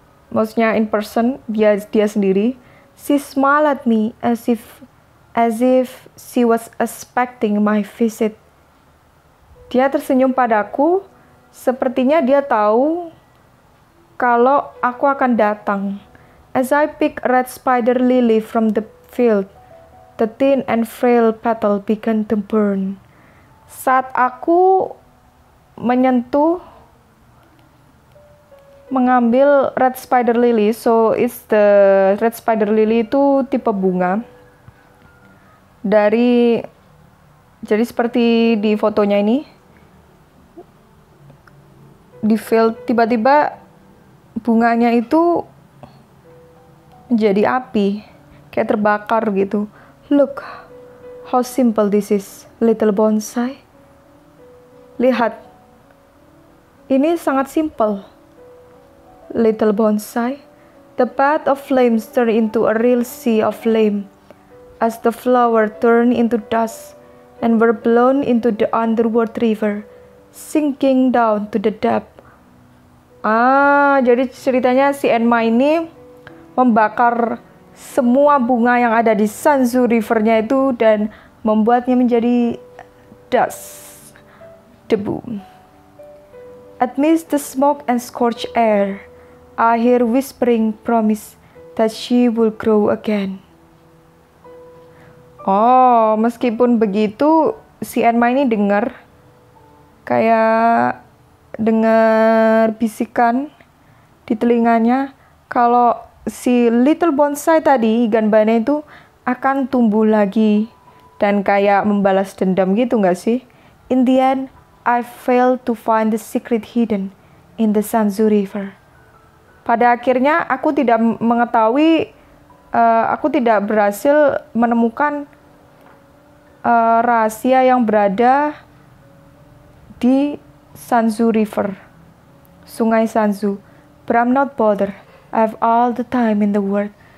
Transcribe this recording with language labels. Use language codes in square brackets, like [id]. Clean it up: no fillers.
[id] Maksudnya [en] in person, [id] dia sendiri. [en] She smiled at me as if she was expecting my visit. [id] Dia tersenyum padaku, sepertinya dia tahu kalau aku akan datang. [en] As I pick red spider lily from the field, the thin and frail petal began to burn. [id] Saat aku mengambil red spider lily, [en] so it's the red spider lily [id] itu tipe bunga dari, jadi seperti di fotonya ini di field, tiba-tiba bunganya itu jadi api, kayak terbakar gitu. [en] Look how simple this is, little bonsai. [id] Lihat, ini sangat simple, little bonsai. [en] The path of flames turned into a real sea of flame as the flower turned into dust and were blown into the underworld river, sinking down to the depth. [id] Ah, jadi ceritanya si Enma ini membakar semua bunga yang ada di Sanzu River-nya itu dan membuatnya menjadi dust, debu. [en] Amidst the smoke and scorched air, I hear whispering promise that she will grow again. [id] Oh, meskipun begitu, si Enma ini dengar, kayak dengar bisikan di telinganya, kalau si little bonsai tadi, gambarnya itu, akan tumbuh lagi, dan kayak membalas dendam gitu gak sih? [en] In the end, I failed to find the secret hidden in the Sanzu River. [id] Pada akhirnya aku tidak mengetahui, aku tidak berhasil menemukan rahasia yang berada di Sanzu River, Sungai Sanzu. [en] But I'm not bothered. I have all the time in the world.